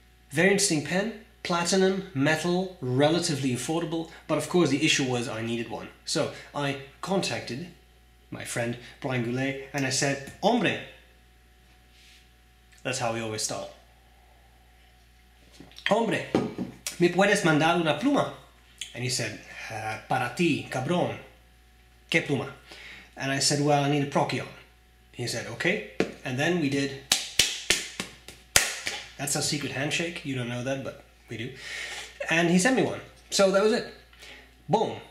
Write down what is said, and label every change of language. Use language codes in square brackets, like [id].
[en] Very interesting pen, platinum, metal, relatively affordable, but of course the issue was I needed one. So I contacted my friend Brian Goulet and I said, hombre, that's how we always start. [es] Hombre, ¿me puedes mandar una pluma? [en] And he said, [es] para ti, cabrón, ¿qué pluma? [en] And I said, well, I need a Procyon. He said, okay. And then we did. That's our secret handshake. You don't know that, but we do. And he sent me one. So that was it. Boom.